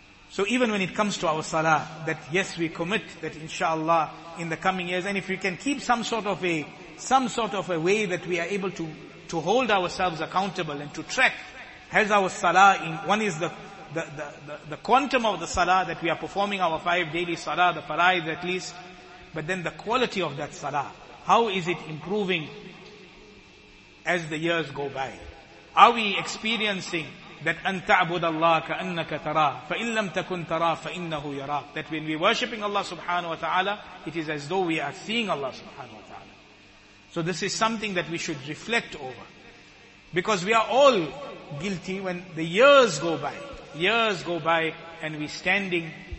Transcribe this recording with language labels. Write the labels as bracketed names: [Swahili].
[English] So even when it comes to our salah, that yes, we commit that inshallah in the coming years, and if we can keep some sort of a way that we are able to hold ourselves accountable and to track, has our salah in, one is the quantum of the salah that we are performing, our five daily salah, the faraid at least, but then the quality of that salah, how is it improving as the years go by? Are we experiencing that [Arabic] أَن تَعْبُدَ اللَّهَ كَأَنَّكَ تَرَى فَإِن لَمْ تَكُن تَرَى فَإِنَّهُ يَرَى. [English] That when we're worshipping Allah subhanahu wa ta'ala, it is as though we are seeing Allah subhanahu wa ta'ala. So this is something that we should reflect over. Because we are all guilty when the years go by. Years go by and we're standing.